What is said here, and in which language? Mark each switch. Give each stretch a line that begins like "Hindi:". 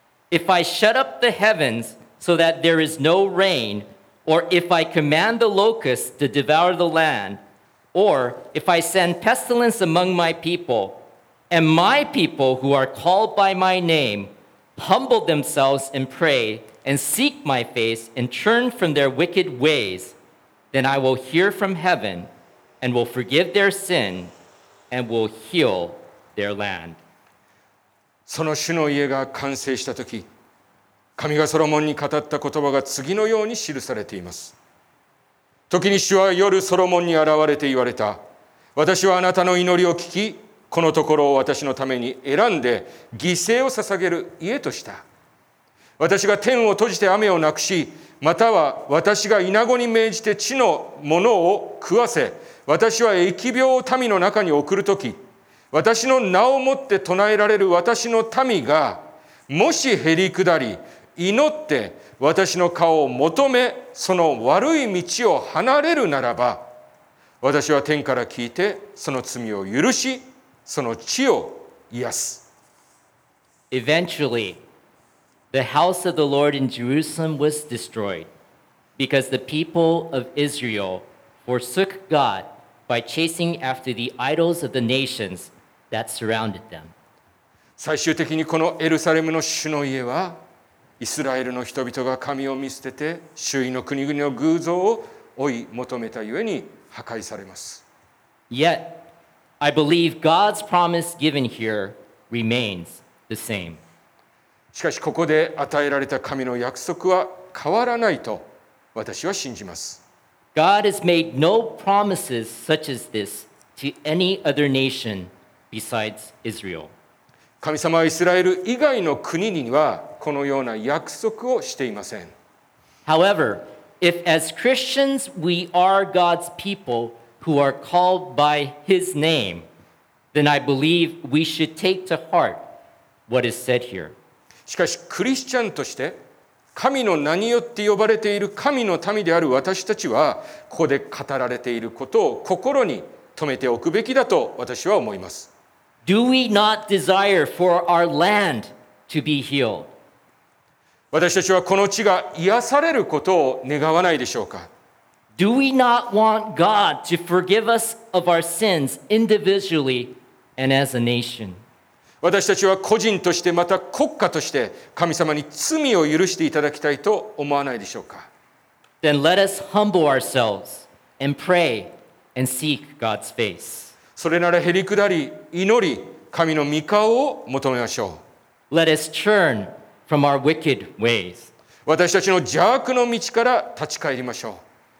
English: If I shut up the heavens so that there is no rain, or if I command the locusts to devour the land, or if I send pestilence among my people, and my people who are called by my name humble themselves and pray and seek my face and turn from their wicked ways, then I will hear from heaven and will forgive their sin and will heal their land.
Japanese: その主の家が完成したとき、神がソロモンに語った言葉が次のように記されています。時に主は夜ソロモンに現れて言われた。私はあなたの祈りを聞き、このところを私のために選んで犠牲を捧げる家とした。私が天を閉じて雨をなくし、または私が稲子に命じて地のものを食わせ、私は疫病を民の中に送るとき、私の名をもって唱えられる私の民がもしへり下り祈って私の顔を求めその悪い道を離れるならば、私は天から聞いてその罪を許しその地を癒す。
English: Eventually, the house of the Lord in Jerusalem was destroyed because the people of Israel forsook God by chasing after the idols of the nationsThat surrounded them.
Japanese: 最終的にこのエルサレムの主の家はイスラエルの人々が神を見捨てて周囲の国々の偶像を追い求めたゆえに破壊されます。
English: Yet, I believe God's promise given here remains the same.
Japanese: しかしここで与えられた神の約束は変わらないと私は信じます。
English: God has made no promises such as this to any other nationBesides Israel.
Japanese: 神様はイスラエル以外の国にはこのような約束をしていません。
English: However, if as Christians we are God's people who are called by His name, then I believe we should take to heart what is said here.
Japanese: しかし、クリスチャンとして神の名によって呼ばれている神の民である私たちは、ここで語られていることを心に留めておくべきだと私は思います。
English: Do we not desire for our land to be healed?
Japanese: 私たちはこの地が癒されることを願わないでしょうか?
English: Do we not want God to forgive us of our sins individually and as a nation?
Japanese: 私たちは個人としてまた国家として神様に罪を許していただきたいと思わないでしょうか?
English: Then let us humble ourselves and pray and seek God's face.
Japanese: それならへりくだり祈り神の御顔を求めましょう。
English: Let us turn from our wicked ways.
Japanese: 私たちの邪悪の道から立ち返りましょう。